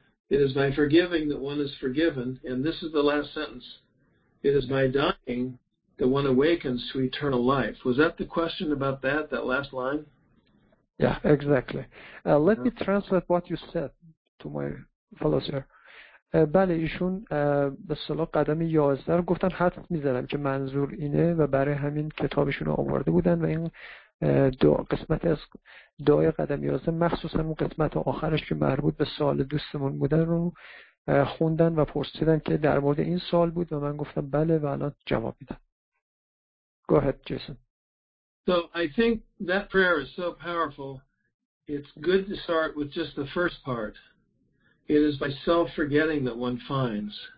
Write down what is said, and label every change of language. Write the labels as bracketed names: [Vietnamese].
[English] It is by forgiving that one is forgiven. And this is the last sentence. It is by dying that one awakens to eternal life. Was that the question about that, that last line? Yeah, exactly. Let me translate what you said to my fellows here. [Persian] بله ایشون به اصطلاح قدم 11 رو گفتن حد می‌زدم که منظور اینه و برای همین کتابشون رو آورده بودن و این دو قسمت از دعای قدم 11 مخصوصا اون قسمت آخرش که مربوط به سوال دوستمون بودن رو خوندن و پرسیدن که در مورد این سوال بود و من گفتم بله و الان جواب میدم. [English] Go ahead, Jason. So I think that prayer is so powerful. It's good to start with just the first part. It is by self-forgetting that one finds.